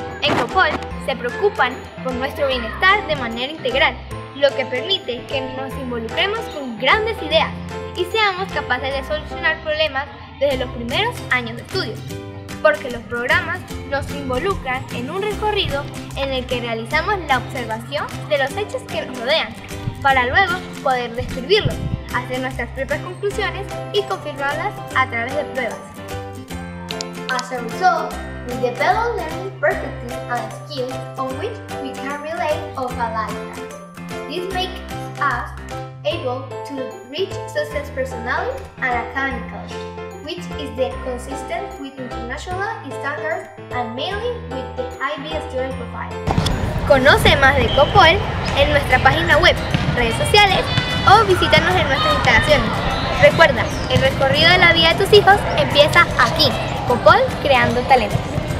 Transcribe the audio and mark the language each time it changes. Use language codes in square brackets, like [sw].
[es] En COPOL se preocupan por nuestro bienestar de manera integral, lo que permite que nos involucremos con grandes ideas y seamos capaces de solucionar problemas desde los primeros años de estudio, porque los programas nos involucran en un recorrido en el que realizamos la observación de los hechos que nos rodean, para luego poder describirlos, hacer nuestras propias conclusiones y confirmarlas a través de pruebas. [en] As a result, we develop learning perspectives and skills on which we can relate of a lifetime. This makes us able to reach success personally and academically, which is then consistent with international standards and mainly with the IB student profile. [es] Conoce más de COPOL en nuestra página web, redes sociales o visítanos en nuestras instalaciones. Recuerda, el recorrido de la vida de tus hijos empieza aquí, COPOL Creando Talentos.